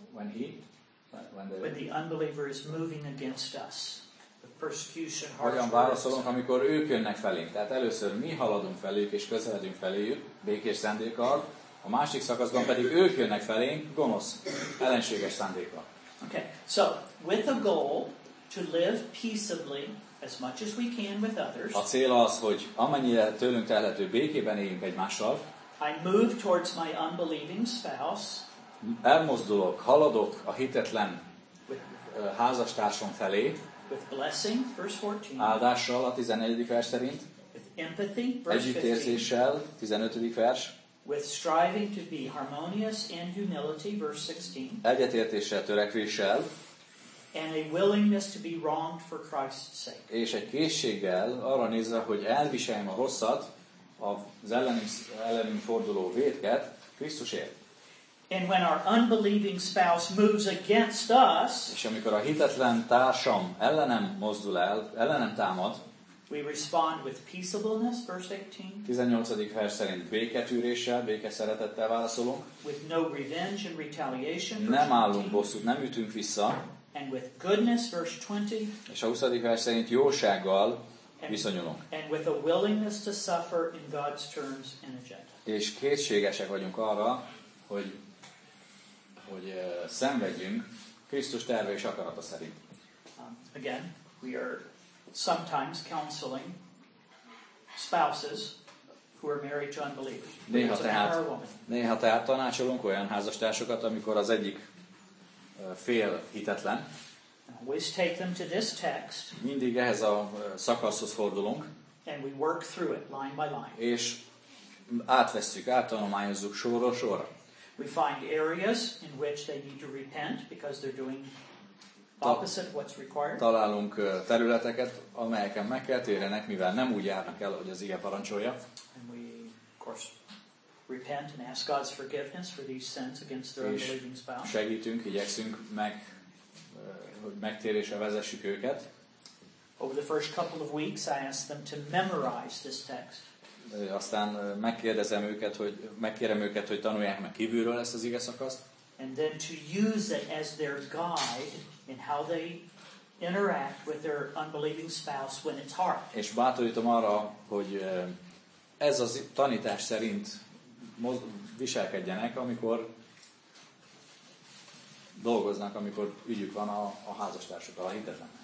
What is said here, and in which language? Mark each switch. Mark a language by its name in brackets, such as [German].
[English] when the unbeliever is moving against us. Persecution, [Hungarian] hogyan válaszolunk, amikor ők jönnek felénk. Tehát először mi haladunk feléjük és közeledünk feléjük, békés szándékkal, a másik szakaszban pedig ők jönnek felénk, gonosz, ellenséges szándékkal. [English] Okay, so with a goal to live peaceably as much as we can with others. [Hungarian] A cél az, hogy amennyire tőlünk telhető békében éljünk egymással. [English] I move towards my unbelieving spouse. [Hungarian] Elmozdulok, haladok a hitetlen házastársam felé. [English] With blessing, verse 14. [Hungarian] Áldással a 14. vers szerint. [English] With empathy, verse 15. [Hungarian] Együttérzéssel, 15. vers. [English] With striving to be harmonious and humility, verse 16. [Hungarian] Egyetértéssel, törekvéssel. [English] And a willingness to be wronged for Christ's sake. [Hungarian] És egy készséggel arra nézve, hogy elviseljem a rosszat, az ellenünk forduló vétket Krisztusért. [English] And when our unbelieving spouse moves against us, [Hungarian] és amikor a hitetlen társam ellenem mozdul el, ellenem támad, [English] we respond with peaceableness, verse 18. [Hungarian] 18. vers szerint béketűréssel, békeszeretettel válaszolunk. [English] With no revenge and retaliation, [Hungarian] nem állunk bosszút, nem ütünk vissza. [English] And with goodness, verse 20. [Hungarian] És a 20. vers szerint jósággal viszonyulunk. [English] And with a willingness to suffer in God's terms and agenda. [Hungarian] És készségesek vagyunk arra, hogy szenvedjünk Krisztus terve és akarata szerint. [English] Again, we are sometimes counseling spouses who are married to unbelievers. [Hungarian] Néha tehát tanácsolunk olyan házastársokat, amikor az egyik fél hitetlen. [English] Always take them to this text. [Hungarian] Mindig ehhez a szakaszhoz fordulunk. [English] And we work through it line by line. [Hungarian] És átvesszük, áttanulmányozzuk sorról sorra. [English] We find areas in which they need to repent because they're doing opposite what's required. [Hungarian] Találunk területeket, amelyeken meg kell térjenek, mivel nem úgy járnak el, ahogy az ige parancsolja. [English] And we, of course, repent and ask God's forgiveness for these sins against their unbelieving spouse. [Hungarian] Segítünk, igyekszünk meg, hogy megtérésre vezessük őket. [English] Over the first couple of weeks, I asked them to memorize this text. [Hungarian] Aztán megkérdezem őket, hogy megkérem őket, hogy tanulják meg kívülről ezt az igeszakaszt. [English] And then to use it as their guide in how they interact with their unbelieving spouse when it's hard. [Hungarian] És bátorítom arra, hogy ez az tanítás szerint viselkedjenek, amikor dolgoznak, amikor ügyük van a házastársukkal, a hitetlennel.